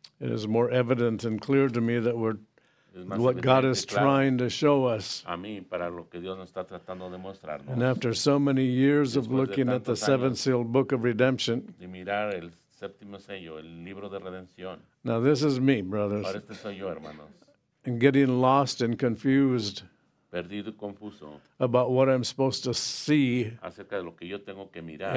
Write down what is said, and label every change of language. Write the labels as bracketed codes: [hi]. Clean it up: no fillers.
[en] it is more evident and clear to me that we're what God is [es] claro, [en] trying to show us. [es] A mí, para lo que Dios nos está tratando de mostrarnos. [en] And after so many years [es] después [en] of looking at the seventh sealed book of redemption, [es] de mirar el séptimo sello, el libro de redención, [en] now this is me, brothers, [es] ahora este soy yo, hermanos, [en] and getting lost and confused [es] perdido y confuso, [en] about what I'm supposed to see [es] acerca de lo que yo tengo que mirar,